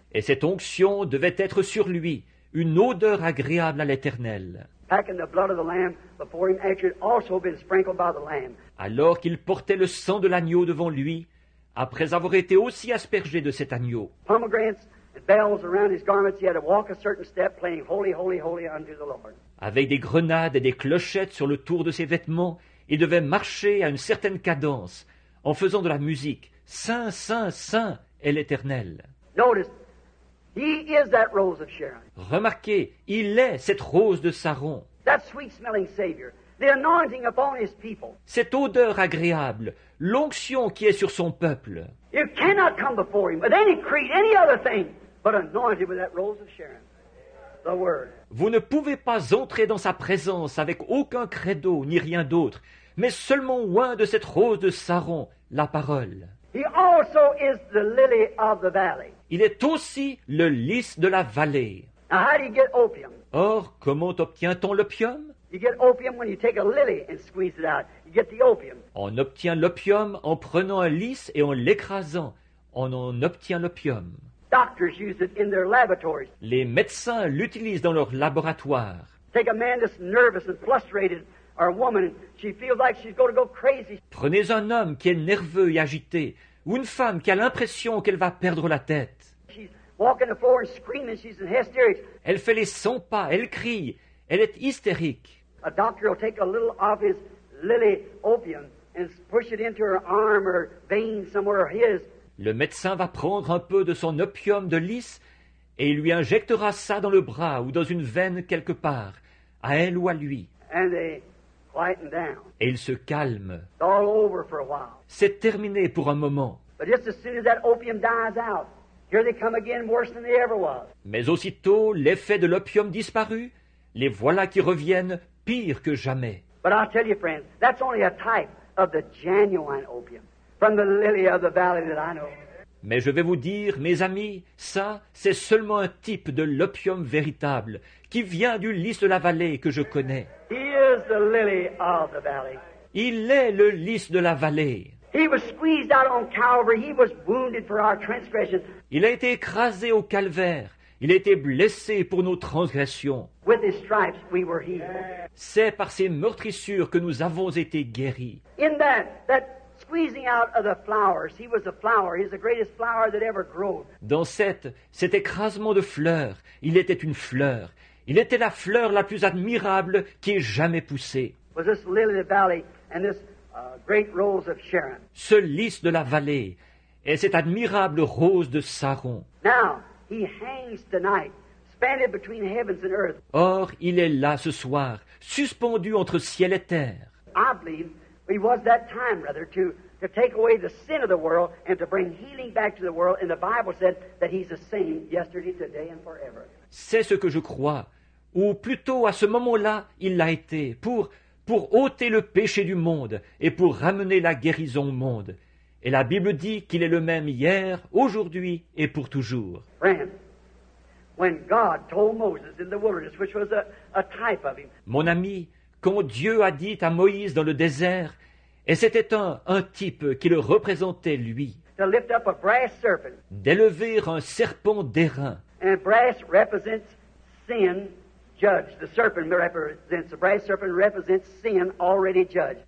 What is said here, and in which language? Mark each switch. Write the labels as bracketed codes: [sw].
[fr] Et cette onction devait être sur lui, une odeur agréable à l'Éternel. [en] Packing the blood of the lamb before him, after it also been sprinkled by the lamb. [fr] Alors qu'il portait le sang de l'agneau devant lui, après avoir été aussi aspergé de cet agneau. [en] Pomegranates. Bells around his garments, he had to walk a certain step, playing holy, holy, holy unto the Lord. [fr] Avec des grenades et des clochettes sur le tour de ses vêtements, il devait marcher à une certaine cadence, en faisant de la musique. Saint, saint, saint est l'Éternel. [en] Notice, he is that rose of Sharon. [fr] Remarquez, il est cette rose de Saron. [en] That sweet-smelling savior, the anointing upon his people. [fr] Cette odeur agréable, l'onction qui est sur son peuple. [en] You cannot come before him with any creed, any other thing. But anointed with that rose of Sharon, the Word. [fr] Vous ne pouvez pas entrer dans sa présence avec aucun credo ni rien d'autre, mais seulement oint de cette rose de Saron, la parole. [en] He also is the lily of the valley. [fr] Il est aussi le lys de la vallée. [en] Now, how do you get opium? [fr] Or, comment obtient-on l'opium? [en] You get opium when you take a lily and squeeze it out. You get the opium. [fr] On obtient l'opium en prenant un lys et en l'écrasant. On en obtient l'opium. [en] Doctors use it in their laboratories. [fr] Les médecins l'utilisent dans leurs laboratoires. [en] Take a man that's nervous and frustrated, or a woman, she feels like she's going to go crazy. [fr] Prenez un homme qui est nerveux et agité, ou une femme qui a l'impression qu'elle va perdre la tête. [en] She's walking the floor and screaming, she's in hysterics. [fr] Elle fait les 100 pas, elle crie, elle est hystérique. [en] A doctor will take a little of his lily opium and push it into her arm or vein somewhere or his. [fr] Le médecin va prendre un peu de son opium de lys et il lui injectera ça dans le bras ou dans une veine quelque part, à elle ou à lui. [en] And they quieten down. [fr] Et il se calme. [en] It's all over for a while. [fr] C'est terminé pour un moment. [en] But just as soon as that opium dies out, here they come again, worse than they ever was. [fr] Mais aussitôt, l'effet de l'opium disparu, les voilà qui reviennent pire que jamais. [en] But I'll tell you, friends, that's only a type of the genuine opium from the lily of the valley that I know. [fr] Mais je vais vous dire, mes amis, ça, c'est seulement un type de l'opium véritable qui vient du lys de la vallée que je connais. [en] He is the lily of the valley. [fr] Il est le lys de la vallée. [en] He was squeezed out on Calvary. He was wounded for our transgressions. [fr] Il a été écrasé au calvaire. Il a été blessé pour nos transgressions. [en] With his stripes, we were healed. [fr] C'est par ses meurtrissures que nous avons été guéris. [en] In that squeezing out of the flowers, he was a flower. He's the greatest flower that ever grew. [fr] Dans cet écrasement de fleurs, il était une fleur. Il était la fleur la plus admirable qui ait jamais poussé. [en] Was this lily of the valley and this great rose of Sharon. [fr] Ce lys de la vallée et cette admirable rose de Saron. [en] Now, he hangs tonight, suspended between heavens and earth. [fr] Or, il est là ce soir, suspendu entre ciel et terre. [en] I believe he was that time, rather, to take away the sin of the world and to bring healing back to the world. And the Bible said that he's the same yesterday, today, and forever. [fr] C'est ce que je crois. Ou plutôt, à ce moment-là, il l'a été, pour ôter le péché du monde et pour ramener la guérison au monde. Et la Bible dit qu'il est le même hier, aujourd'hui et pour toujours. [en] Friend, when God told Moses in the wilderness, which was a type of him. [fr] Mon ami, quand Dieu a dit à Moïse dans le désert, et c'était un type qui le représentait lui, [en] to lift up a brass serpent, [fr] d'élever un serpent d'airain. [en] And brass represents sin. Judge. The serpent represents, the brass serpent represents sin already judged.